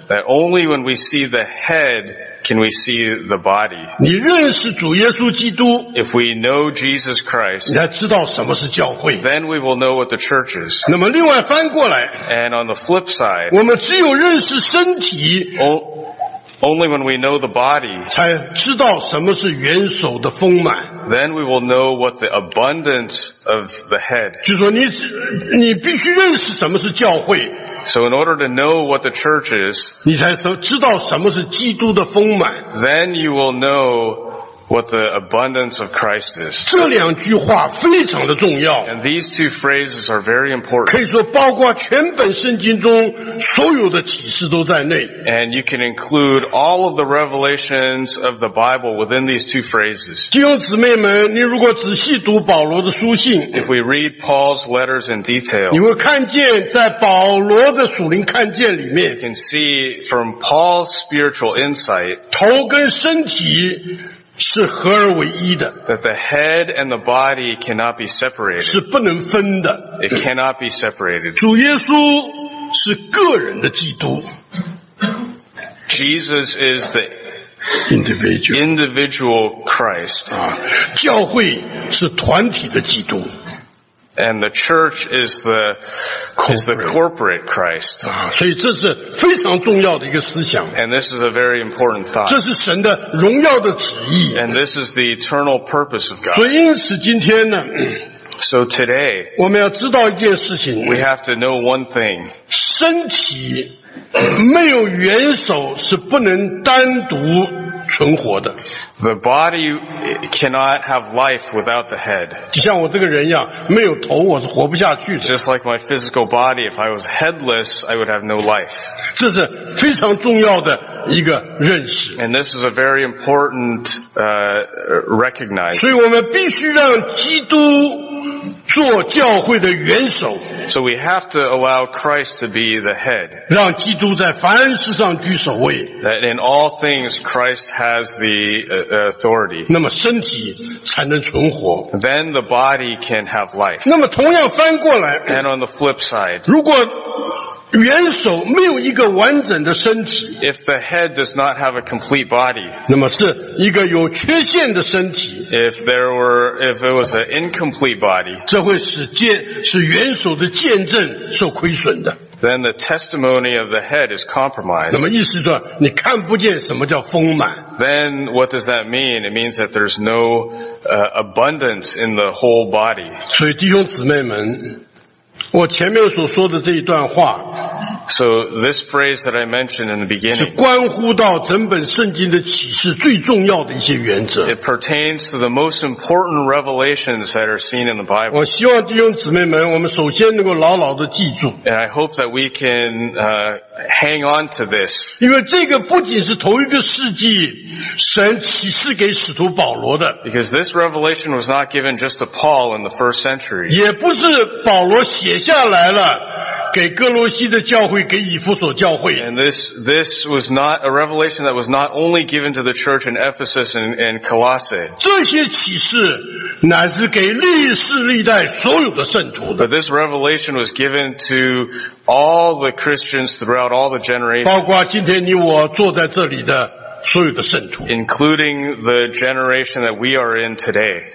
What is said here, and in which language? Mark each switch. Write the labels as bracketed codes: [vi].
[en] That only when we see the head can we see the body. [zh] 你认识主耶稣基督， [en] if we know Jesus Christ, [zh] 你才知道什么是教会。 [en] Then we will know what the church is. [zh] 那么另外翻过来， [en] and on the flip side, [zh] 我们只有认识身体。 [en] Only when we know the body, [zh] 才知道什么是元首的丰满。 [en] Then we will know what the abundance of the head. [zh] 就是说你必须认识什么是教会。 [en] So in order to know what the church is, [zh] 你才知道什么是基督的丰满。 [en] Then you will know what the abundance of Christ is. [zh] 这两句话非常的重要。 [en] And these two phrases are very important. [zh] 可以说包括全本圣经中所有的启示都在内。 [en] And you can include all of the revelations of the Bible within these two phrases. [zh] 弟兄姊妹们，你如果仔细读保罗的书信， [en] if we read Paul's letters in detail, [zh] 你会看见在保罗的属灵看见里面， [en] you can see from Paul's spiritual insight, [zh] 头跟身体是合而为一的， [en] that the head and the body cannot be separated. [zh] 是不能分的， [en] it cannot be separated. [zh] 主耶稣是个人的基督， [en] Jesus is the individual Christ. [zh] 教会是团体的基督， [en] and the church is the corporate Christ. [zh] 所以这是非常重要的一个思想。 [en] And this is a very important thought. [zh] 这是神的荣耀的旨意。 [en] And this is the eternal purpose of God. [zh] 所以因此今天呢， [en] so today, [zh] 我们要知道一件事情， [en] we have to know one thing. [zh] 身体没有元首是不能单独存活的。 [en] The body cannot have life without the head. [zh] 就像我这个人一样，没有头我是活不下去的。 [en] Just like my physical body, if I was headless, I would have no life. [zh] 这是非常重要的一个认识。 [en] And this is a very important recognition. [zh] 所以我们必须让基督做教会的元首。 [en] So we have to allow Christ to be the head. [zh] 让基督在凡事上居首位。 [en] That in all things Christ has the authority. [zh] 那么身体才能存活。 [en] Then the body can have life. [zh] 那么同样翻过来。 [en] And on the flip side. [zh] 如果元首没有一个完整的身体， [en] if the head does not have a complete body, [zh] 那么是一个有缺陷的身体， [en] if it was an incomplete body, [zh] 这会使元首的见证受亏损的。 [en] Then the testimony of the head is compromised. [zh] 那么意思说你看不见什么叫丰满。 [en] Then what does that mean? It means that there's no abundance in the whole body. [zh] 所以弟兄姊妹们，我前面所说的这一段话， [en] so this phrase that I mentioned in the beginning, [zh] 是关乎到整本圣经的启示最重要的一些原则。 [en] It pertains to the most important revelations that are seen in the Bible. [zh] 我希望弟兄姊妹们，我们首先能够牢牢地记住。 [en] And I hope that we can hang on to this. [zh] 因为这个不仅是头一个世纪神启示给使徒保罗的， [en] because this revelation was not given just to Paul in the first century. [zh] 也不是保罗写下来了给哥罗西的教会，给以弗所教会。 [en] And this was not a revelation that was not only given to the church in Ephesus and Colossae. [zh] 这些启示乃是给历世历代所有的圣徒的。 [en] But this revelation was given to all the Christians throughout all the generations. [zh] 包括今天你我坐在这里的所有的圣徒， [en] including the generation that we are in today.